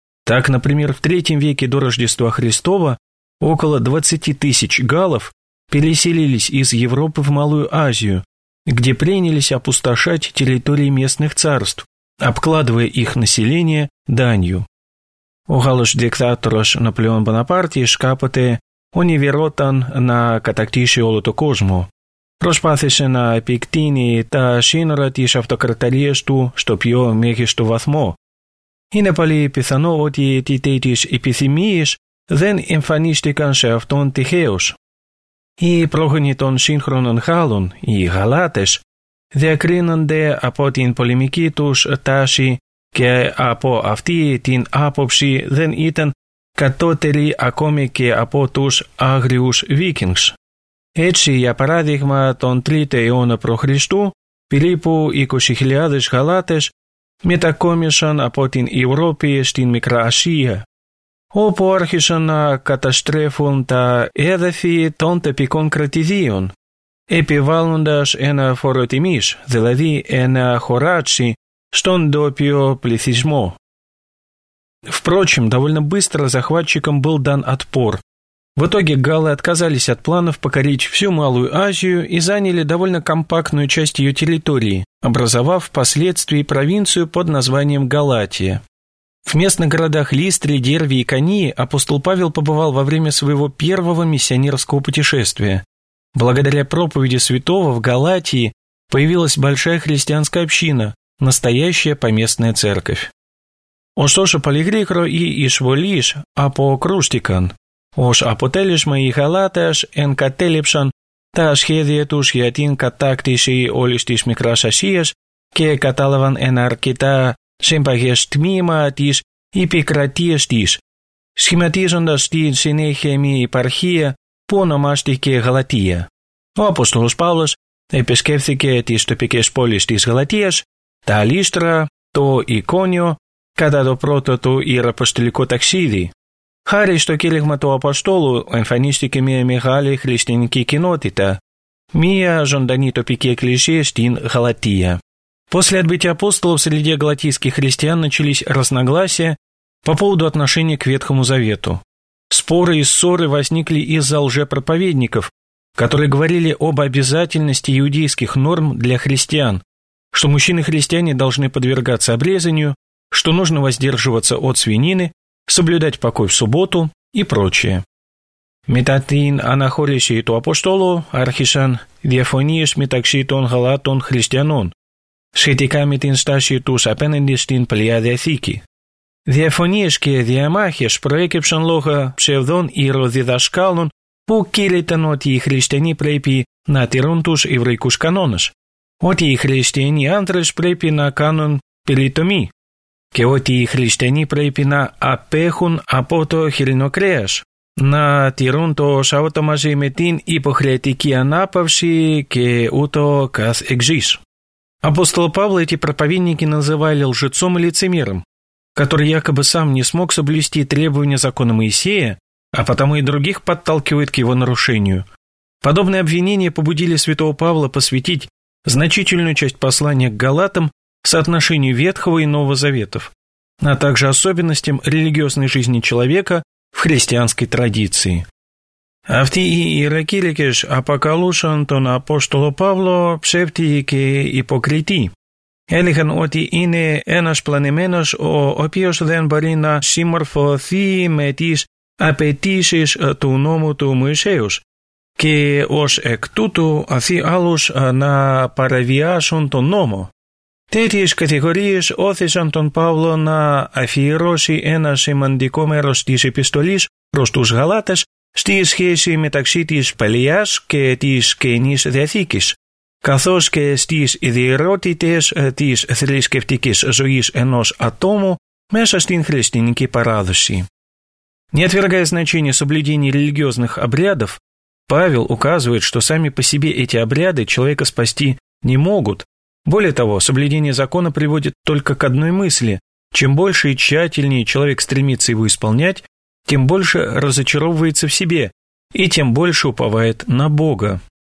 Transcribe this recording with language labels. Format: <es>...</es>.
<ru>Так, например, в III веке до Рождества Христова около 20 тысяч галлов переселились из Европы в Малую Азию, где принялись опустошать территории местных царств, обкладывая их население данью.</ru> <el>Ο Γάλλος δικτάτορος Ναπολέον Μποναπάρτης κάποτε ονειρευόταν να κατακτήσει όλο τον κόσμο. Προσπάθησε να επεκτείνει τα σύνορα της αυτοκρατορίας του στο πιο μέγιστο βαθμό. Είναι πολύ πιθανό ότι οι τέτοιες επιθυμίες δεν εμφανίστηκαν σε αυτόν τυχαίως. Οι πρόγονοι των σύγχρονων Γάλλων, οι Γαλάτες, διακρίνονται από την πολεμική τους τάση και από αυτή την άποψη δεν ήταν κατώτεροι ακόμη και από τους άγριους Βίκινγκς. Έτσι, για παράδειγμα, τον 3ο αιώνα π.Χ. περίπου 20.000 Γαλάτες μετακόμισαν από την Ευρώπη στην Μικρά Ασία, όπου άρχισαν να καταστρέφουν τα έδαφη των τοπικών κρατηδίων, επιβάλλοντας ένα φοροτιμής, δηλαδή ένα χωράτσι, στον ντόπιο πληθυσμό.</el> <ru>Впрочем, довольно быстро захватчикам был дан отпор. В итоге галлы отказались от планов покорить всю Малую Азию и заняли довольно компактную часть ее территории, образовав впоследствии провинцию под названием Галатия. В местных городах Листре, Дерви и Кании апостол Павел побывал во время своего первого миссионерского путешествия. Благодаря проповеди святого в Галатии появилась большая христианская община, настоящая поместная церковь.</ru> <el>Ωστόσο, πολυγρήκρο η εισβολή αποκρούστηκαν. Ως αποτέλεσμα, οι Γαλάτες εγκατέλειψαν τα σχέδια τους για την κατάκτηση όλης της Μικράς Ασίας και κατάλαβαν ένα αρκετά συμπαγές τμήμα της επικρατείας της, σχηματίζοντας τη συνέχεια μια επαρχία που ονομάστηκε Γαλατία. Ο Απόστολος Παύλος επισκέφθηκε τις τοπικές πόλεις της Γαλατίας, τα Λύστρα, το Ικόνιο, κατά το πρώτο του ιεραποστολικό ταξίδι. Χάρη στο κήρυγμα του Αποστόλου εμφανίστηκε μια μεγάλη χριστιανική κοινότητα, μια ζωντανή τοπική εκκλησία στην Γαλατία.</el> <ru>После отбытия апостолов среди галатийских христиан начались разногласия по поводу отношения к Ветхому Завету. Споры и ссоры возникли из-за лжепроповедников, которые говорили об обязательности иудейских норм для христиан, что мужчины-христиане должны подвергаться обрезанию, что нужно воздерживаться от свинины, соблюдать покой в субботу и прочее.</ru> <el>Μετά την αναχώρηση του Αποστόλου άρχισαν διαφωνίες μεταξύ των Γαλάτων χριστιανών σχετικά με την στάση τους απέναντι στην Παλαιά Διαθήκη. Διαφωνίες και διαμάχες προέκυψαν λόγω ψευδών ιεροδιδασκάλων που κήρυταν ότι οι χριστιανοί πρέπει να τηρούν τους εβραϊκούς κανόνες, ότι οι χριστιανοί άντρες πρέπει να κάνουν περιτομή και ότι οι χριστιανοί πρέπει να απέχουν από το χοιρινό κρέας, να τηρούν το Σάββατο μαζί με την υποχρεωτική ανάπαυση και ούτω καθεξής.</el> <ru>Апостол Павла эти проповедники называли лжецом и лицемером, который якобы сам не смог соблюсти требования закона Моисея, а потому и других подталкивает к его нарушению. Подобные обвинения побудили святого Павла посвятить значительную часть послания к Галатам соотношению Ветхого и Нового Заветов, а также особенностям религиозной жизни человека в христианской традиции.</ru> <el>Αυτοί οι ιεροκήρυκες αποκαλούσαν τον Απόστολο Παύλο ψεύτικοι και υποκριτοί. Έλεγαν ότι είναι ένας πλανημένος ο οποίος δεν μπορεί να συμμορφωθεί με τις απαιτήσεις του νόμου του Μωυσέως και ως εκ τούτου αυτοί άλλους να παραβιάσουν τον νόμο. Τέτοιες κατηγορίες όθησαν τον Παύλο να αφιερώσει ένα σημαντικό μέρος της επιστολής προς τους Γαλάτες στη σχέση μεταξύ της Παλαιάς και της Καινής Διαθήκης, καθώς και στις ιδιαιρότητες της θρησκευτικής ζωής ενός ατόμου μέσα στην χριστιανική παράδοση.</el> <ru>Не отвергая значение соблюдения религиозных обрядов, Павел указывает, что сами по себе эти обряды человека спасти не могут. Более того, соблюдение закона приводит только к одной мысли: чем больше и тщательнее человек стремится его исполнять, тем больше разочаровывается в себе и тем больше уповает на Бога.</ru>